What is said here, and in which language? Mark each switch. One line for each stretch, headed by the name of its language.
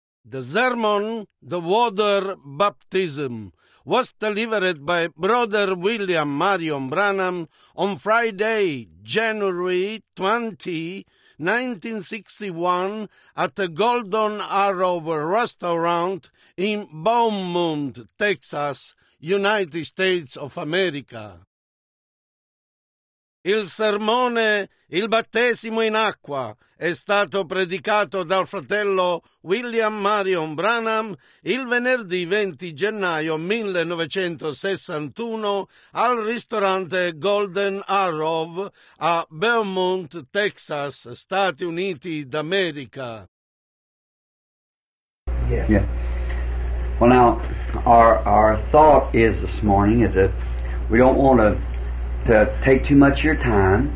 English: The sermon, the water baptism, was delivered by Brother William Marion Branham on Friday, January 20, 1961, at the Golden Arrow Restaurant in Beaumont, Texas, United States of America.
Italian: Il sermone, il battesimo in acqua, è stato predicato dal fratello William Marion Branham il venerdì 20 gennaio 1961 al ristorante Golden Arrow a Beaumont, Texas, Stati Uniti d'America.
English: Yeah. Well, now, our thought is this morning is that we don't want to take too much of your time.